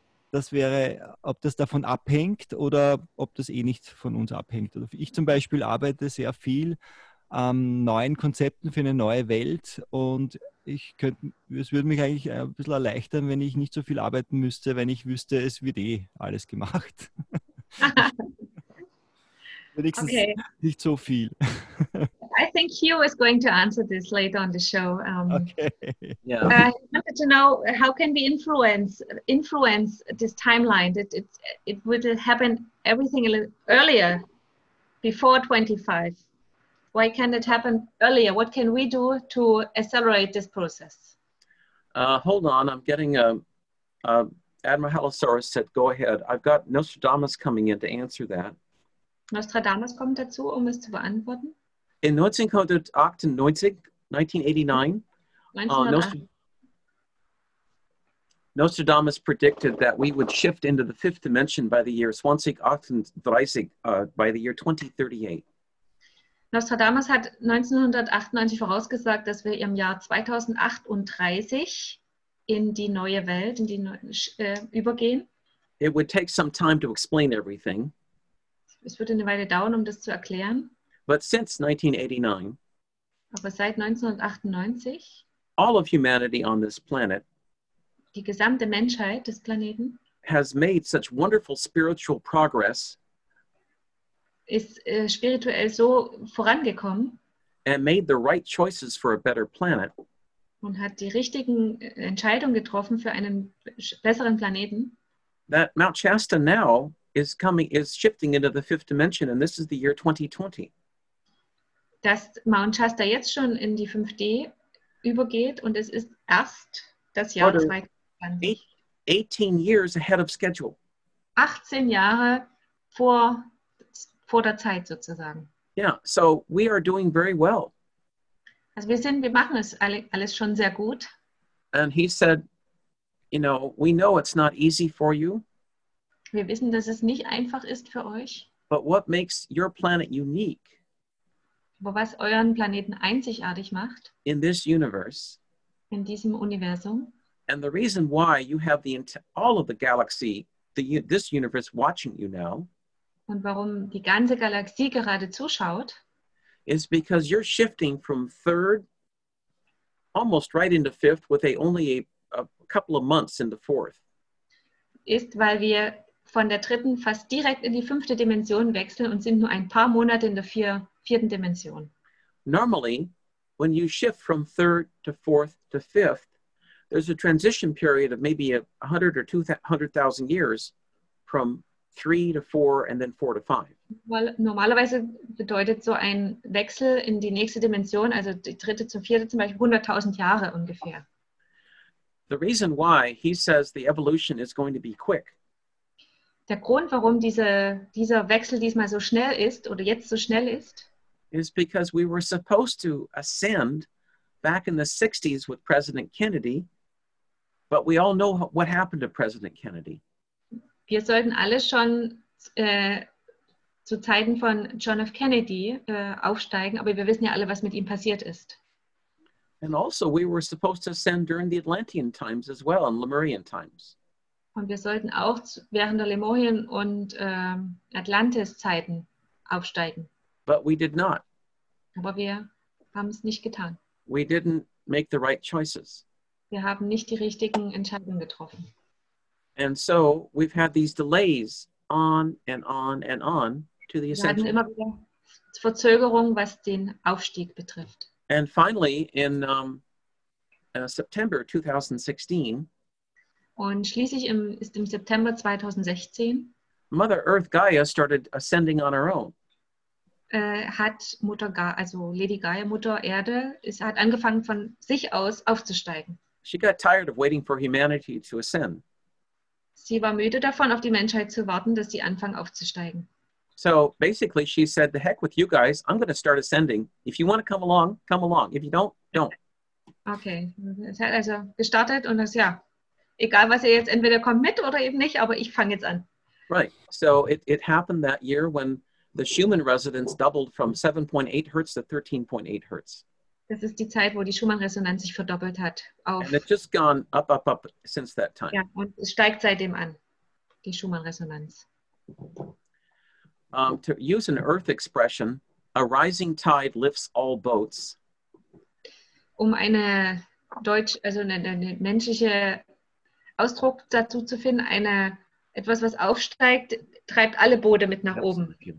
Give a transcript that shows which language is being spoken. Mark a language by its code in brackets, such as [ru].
[de] Das wäre, ob das davon abhängt oder ob das eh nicht von uns abhängt. Ich zum Beispiel arbeite sehr viel an neuen Konzepten für eine neue Welt, und es würde mich eigentlich ein bisschen erleichtern, wenn ich nicht so viel arbeiten müsste, wenn ich wüsste, es wird eh alles gemacht. Wenigstens okay. Nicht so viel. [en] I think Hugh is going to answer this later on the show. Okay. Yeah. I wanted to know, how can we influence this timeline? It would happen everything earlier, before 25. Why can't it happen earlier? What can we do to accelerate this process? Hold on, I'm getting a Admiral Halosaurus said, go ahead. I've got Nostradamus coming in to answer that. [de] Nostradamus kommt dazu, um es zu beantworten. [en] In 1989, Nostradamus predicted that we would shift into the fifth dimension by the year 2038, by the year 2038. [de] Nostradamus hat 1998 vorausgesagt, dass wir im Jahr 2038 in die neue Welt, in die übergehen. [en] It would take some time to explain everything. [de] Es würde eine Weile dauern, um das zu erklären. [en] But since 1989, [de] aber seit 1998, [en] all of humanity on this planet, [de] die gesamte Menschheit des Planeten, [en] has made such wonderful spiritual progress, [de] ist spirituell so vorangekommen, [en] and made the right choices for a better planet, [de] und hat die richtigen Entscheidungen getroffen für einen besseren Planeten, [en] that Mount Shasta now is shifting into the fifth dimension, and this is the year 2020. [de] Dass Mount Shasta jetzt schon in die 5D übergeht, und es ist erst das Jahr 2020. [en] 18 years ahead of schedule. [de] 18 Jahre vor der Zeit sozusagen. [en] Yeah, so we are doing very well. [de] Also wir machen es alles schon sehr gut. [en] And he said, you know, we know it's not easy for you. [de] Wir wissen, dass es nicht einfach ist für euch. [en] But what makes your planet unique? [de] Aber was euren Planeten einzigartig macht, [en] in this universe, [de] in diesem Universum, [en] and the reason why you have all of the galaxy, this universe watching you now, [de] und warum die ganze Galaxie gerade zuschaut, [en] is because you're shifting from third, almost right into fifth, with only a couple of months into fourth. [de] Ist, weil wir von der dritten fast direkt in die fünfte Dimension wechseln und sind nur ein paar Monate in der vierten Dimension. [en] Normally, when you shift from third to fourth to fifth, there's a transition period of maybe 100 or 200,000 years from 3 to 4 and then 4 to 5. [de] Well, normalerweise bedeutet so ein Wechsel in die nächste Dimension, also die dritte zur vierte, zum Beispiel 100,000 Jahre ungefähr. [en] The reason why he says the evolution is going to be quick. [de] Der Grund, warum dieser Wechsel diesmal so schnell ist oder jetzt so schnell ist, [en] is because we were supposed to ascend back in the 60s with President Kennedy, but we all know what happened to President Kennedy. [de] Wir sollten alle schon zu Zeiten von John F. Kennedy aufsteigen, aber wir wissen ja alle, was mit ihm passiert ist. [en] And also we were supposed to ascend during the Atlantean times as well, and Lemurian times. [de] Und wir sollten auch während der Lemurien und Atlantis-Zeiten aufsteigen. [en] But we did not. [de] Aber wir haben es nicht getan. [en] We didn't make the right choices. [de] Wir haben nicht die richtigen Entscheidungen getroffen. [en] And so we've had these delays on and on and on to the ascension. [de] Wir hatten immer wieder Verzögerungen, was den Aufstieg betrifft. [en] And finally, in September 2016, [de] und schließlich ist im September 2016, [en] Mother Earth Gaia started ascending on her own. [de] Lady Gaia, Mutter Erde, hat angefangen von sich aus aufzusteigen. [en] She got tired of waiting for humanity to ascend. [de] Sie war müde davon, auf die Menschheit zu warten, dass sie anfangen aufzusteigen. [en] So basically she said, the heck with you guys, I'm going to start ascending. If you want to come along, come along. If you don't, don't. [de] Okay, es hat also gestartet und das, ja, egal was ihr jetzt, entweder kommt mit oder eben nicht, aber ich fange jetzt an. [en] Right, so it happened that year when the Schumann resonance doubled from 7.8 hertz to 13.8 hertz. [de] Das ist die Zeit, wo die Schumann-Resonanz sich verdoppelt hat. [en] And it's just gone up, up, up since that time. [de] Ja, und es steigt seitdem an, die Schumann-Resonanz. [en] To use an Earth expression, a rising tide lifts all boats. [de] Um eine deutsch, also eine menschliche Ausdruck dazu zu finden, etwas, was aufsteigt, treibt alle Boote mit nach oben.